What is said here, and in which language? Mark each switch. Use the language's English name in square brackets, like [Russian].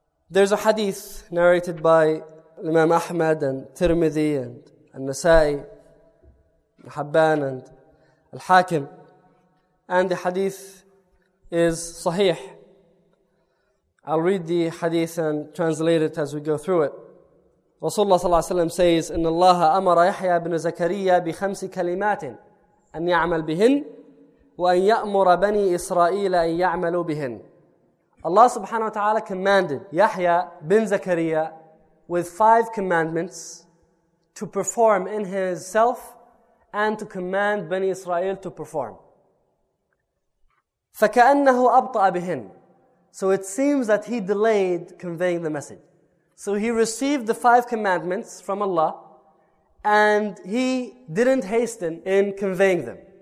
[English] There's a hadith narrated by Imam Ahmad and Tirmidhi and Al-Nasai, Al-Habban and Al-Hakim. And the hadith is sahih. I'll read the hadith and translate it as we go through it. [Arabic] Rasulullah sallallahu alayhi wa sallam says, إِنَّ اللَّهَ أَمَرَ يَحْيَى بْنَ زَكَرِيَّا بِخَمْسِ كَلِمَاتٍ أَنْ يَعْمَلْ بِهِنْ وَأَنْ يَأْمُرَ بَنِي إِسْرَائِيلَ أَنْ يَعْمَلُوا بِهِنْ. [English] Allah subhanahu wa ta'ala commanded Yahya bin Zakariya with 5 commandments to perform in himself and to command Bani Israel to perform. [Arabic] فَكَأَنَّهُ أَبْطَأَ بِهِنْ. [English] So it seems that he delayed conveying the message. So he received the 5 commandments from Allah and he didn't hasten in conveying them.